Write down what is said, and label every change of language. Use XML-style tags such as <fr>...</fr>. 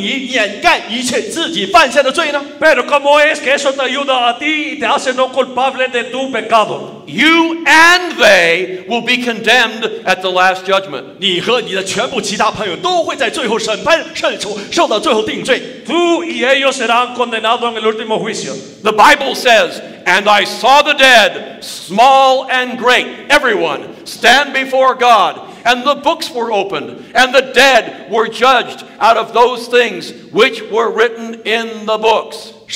<zh>但是这怎能帮助你掩盖一切自己犯下的罪呢?</zh> <es>Pero como es que eso te ayuda a ti y te hace no culpable de tu pecado?</es> <en>You and they will be condemned at the last judgment.</en> <zh>你和你的全部其他朋友都会在最后审判受到最后定罪。</zh> <es>Tú y ellos serán condenados en el último juicio.</es> <en>The Bible says, and I saw the dead, small and great, everyone, stand before God. And the books were opened, and the dead were judged out of those things which were written in the books.</en>